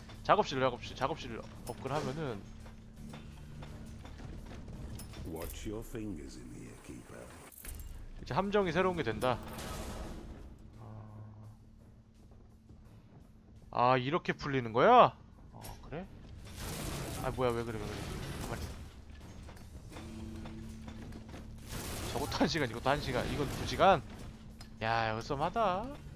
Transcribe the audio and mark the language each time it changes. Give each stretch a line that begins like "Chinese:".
Korean: 작업실 업그레이드 하면은.
English: Watch your fingers in here, keeper.
Korean: 이제 함정이 새로운 게 된다. 아 이렇게 풀리는 거야? 어 그래? 아 뭐야 왜 그래. 가만히 있어. 저것도 1시간 이것도 1시간 이건 2시간? 야 이거 썸하다.